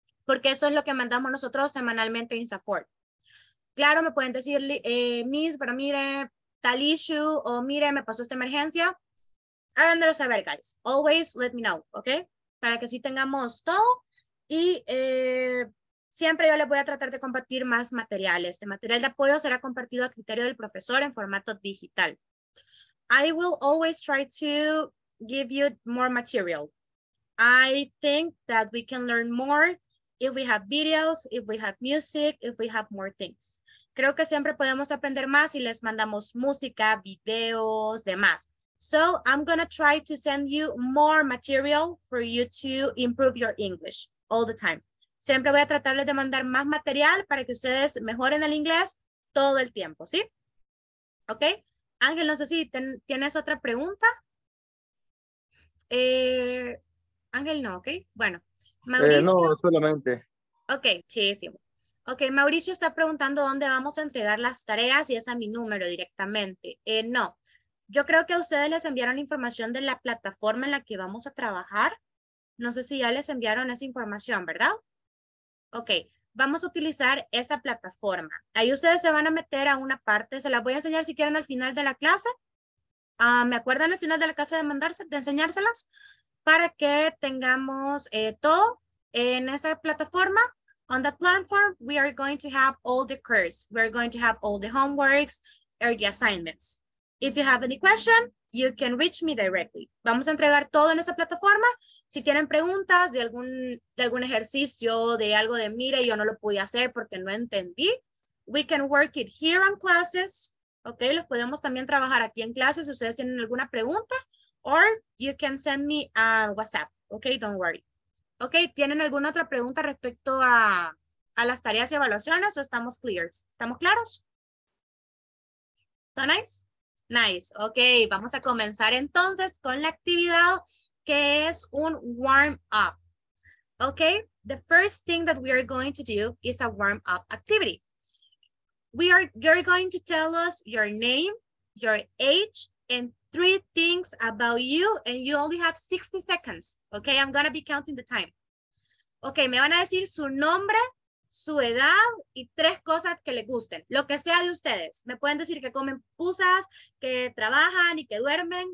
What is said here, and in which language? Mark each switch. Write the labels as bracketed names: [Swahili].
[Spanish] Porque esto es lo que mandamos nosotros semanalmente en Safort. Claro, me pueden decir, Miss, pero mire, tal issue, o mire, me pasó esta emergencia. Háganmelo saber, guys. [English] Always let me know, okay? [Spanish] Para que sí tengamos todo. Y siempre yo les voy a tratar de compartir más materiales. Este material de apoyo será compartido a criterio del profesor en formato digital. [English] I will always try to give you more material. I think that we can learn more if we have videos, if we have music, if we have more things. [Spanish] Creo que siempre podemos aprender más si les mandamos música, videos, demás. [English] So I'm gonna try to send you more material for you to improve your English. All the time. [Spanish] Siempre voy a tratarles de mandar más material para que ustedes mejoren el inglés todo el tiempo, ¿sí? ¿Ok? Ángel, no sé si tienes otra pregunta. Ángel, no, ¿ok? Bueno, Mauricio. No, solamente. Ok, chidísimo. Ok, Mauricio está preguntando dónde vamos a entregar las tareas y es a mi número directamente. No, yo creo que a ustedes les enviaron información de la plataforma en la que vamos a trabajar. No sé si ya les enviaron esa información, ¿verdad? Ok, vamos a utilizar esa plataforma. Ahí ustedes se van a meter a una parte. Se la voy a enseñar si quieren al final de la clase. ¿Me acuerdan al final de la clase de enseñárselas? Para que tengamos todo en esa plataforma. [English] On that platform, we are going to have all the curves. We are going to have all the homeworks or the assignments. If you have any question, you can reach me directly. [Spanish] Vamos a entregar todo en esa plataforma. Si tienen preguntas de algún ejercicio, de algo de mire, yo no lo pude hacer porque no entendí, [English] we can work it here on classes, ok, [Spanish] los podemos también trabajar aquí en clases si ustedes tienen alguna pregunta, [English] or you can send me a WhatsApp, ok, don't worry. [Spanish] Ok, ¿tienen alguna otra pregunta respecto a las tareas y evaluaciones o estamos clear? ¿Estamos claros? ¿Está nice? Nice, ok, vamos a comenzar entonces con la actividad que es un warm up. [English] Okay, the first thing that we are going to do is a warm up activity. You're going to tell us your name, your age, and three things about you and you only have 60 seconds. Okay, I'm gonna be counting the time. [Spanish] Okay, me van a decir su nombre, su edad y tres cosas que les gusten. Lo que sea de ustedes. Me pueden decir que comen pupusas, que trabajan y que duermen.